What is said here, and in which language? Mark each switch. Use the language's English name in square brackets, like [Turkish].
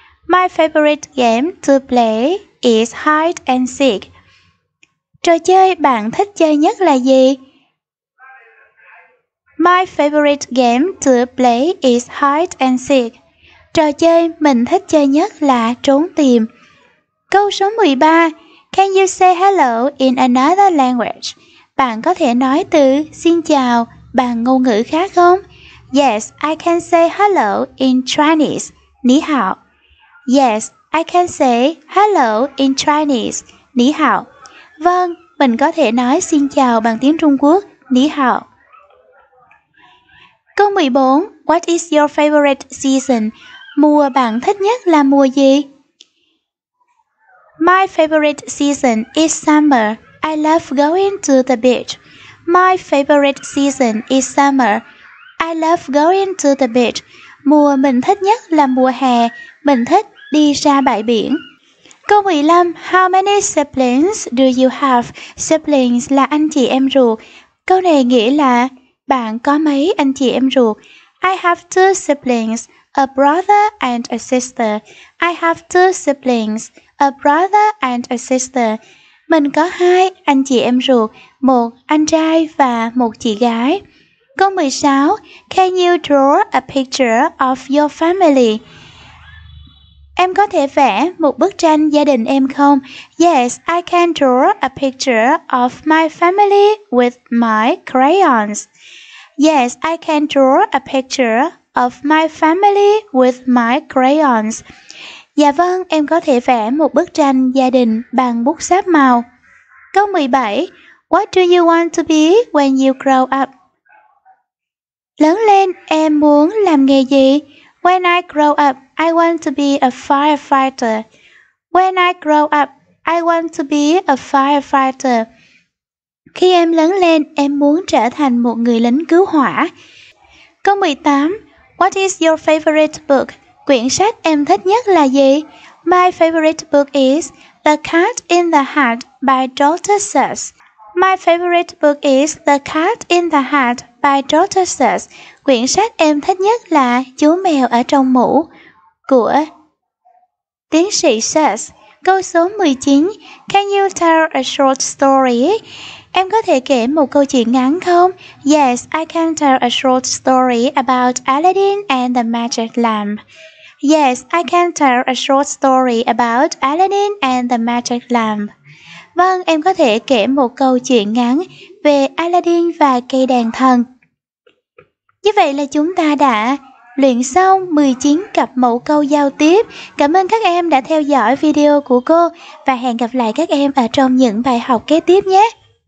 [English] My favorite game to play is hide and seek. [Vietnamese] Trò chơi bạn thích chơi nhất là gì? [English] My favorite game to play is hide and seek. [Vietnamese] Trò chơi mình thích chơi nhất là trốn tìm. Câu số 13. [English] Can you say hello in another language? [Vietnamese] Bạn có thể nói từ xin chào bằng ngôn ngữ khác không? [English] Yes, I can say hello in Chinese. Ni hao. Yes, I can say hello in Chinese. Ni hao. [Vietnamese] Vâng, mình có thể nói xin chào bằng tiếng Trung Quốc. Ni hao. Câu 14. [English] What is your favorite season? [Vietnamese] Mùa bạn thích nhất là mùa gì? [English] My favorite season is summer. I love going to the beach. My favorite season is summer. I love going to the beach. [Vietnamese] Mùa mình thích nhất là mùa hè. Mình thích đi ra bãi biển. Câu 15. [English] How many siblings do you have? [Vietnamese] Siblings là anh chị em ruột. Câu này nghĩa là bạn có mấy anh chị em ruột? [English] I have two siblings, a brother and a sister. I have two siblings, a brother and a sister. [Vietnamese] Mình có hai anh chị em ruột, một anh trai và một chị gái. Câu 16. [English] Can you draw a picture of your family? [Vietnamese] Em có thể vẽ một bức tranh gia đình em không? [English] Yes, I can draw a picture of my family with my crayons. Yes, I can draw a picture of my family with my crayons. [Vietnamese] Dạ vâng, em có thể vẽ một bức tranh gia đình bằng bút sáp màu. Câu 17. [English] What do you want to be when you grow up? [Vietnamese] Lớn lên, em muốn làm nghề gì? [English] When I grow up, I want to be a firefighter. When I grow up, I want to be a firefighter. [Vietnamese] Khi em lớn lên, em muốn trở thành một người lính cứu hỏa. Câu 18. [English] What is your favorite book? [Vietnamese] Quyển sách em thích nhất là gì? [English] My favorite book is The Cat in the Hat by Dr. Seuss. My favorite book is The Cat in the Hat by Dr. Seuss. [Vietnamese] Quyển sách em thích nhất là Chú mèo ở trong mũ của tiến sĩ Seuss. Câu số 19. [English] Can you tell a short story? [Vietnamese] Em có thể kể một câu chuyện ngắn không? [English] Yes, I can tell a short story about Aladdin and the Magic Lamp. Yes, I can tell a short story about Aladdin and the Magic Lamp. [Vietnamese] Vâng, em có thể kể một câu chuyện ngắn về Aladdin và cây đèn thần. Như vậy là chúng ta đã luyện xong 19 cặp mẫu câu giao tiếp. Cảm ơn các em đã theo dõi video của cô và hẹn gặp lại các em ở trong những bài học kế tiếp nhé.